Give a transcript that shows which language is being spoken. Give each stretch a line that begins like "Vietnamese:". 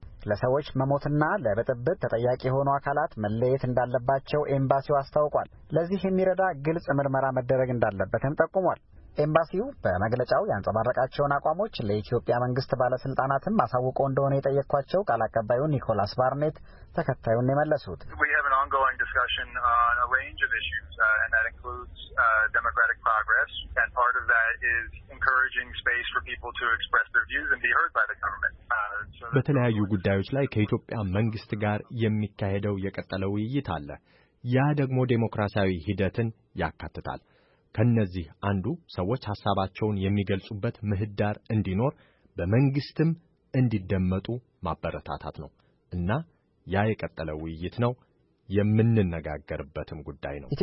Amharic: ለሰዎች መሞትና ለብጥብጥ ተጠያቂ የሆኑ አካላት መለየት እንዳለባቸው ኤምባሲው አስታውቋል። ለዚህ የሚረዳ ግልጽ ምርመራ መደረግ እንዳለበትም ጠቁሟል። ኤምባሲው በመግለጫው ያንጸባረቃቸውን አቋሞች ለኢትዮጵያ መንግስት ባለስልጣናትም ማሳውቆ እንደሆነ የጠየኳቸው ቃል አቀባዩ ኒኮላስ ባርኔት ተከታዩን የመለሱት
English: discussion on a range of issues and that includes democratic progress and part of that is encouraging space for people to express their views and be heard by the government.
Amharic: በተለያዩ ጉዳዮች ላይ ከኢትዮጵያ መንግስት ጋር የሚካሄደው የቀጠለ ውይይት አለ። ያ ደግሞ ዴሞክራሲያዊ ሂደትን ያካትታል። ከነዚህ አንዱ ሰዎች ሐሳባቸውን የሚገልጹበት ምህዳር እንዲኖር በመንግስትም እንዲደመጡ ማበረታታት ነው እና ያ የቀጠለ ውይይት ነው የምንነጋገርበትም ጉዳይ ነው።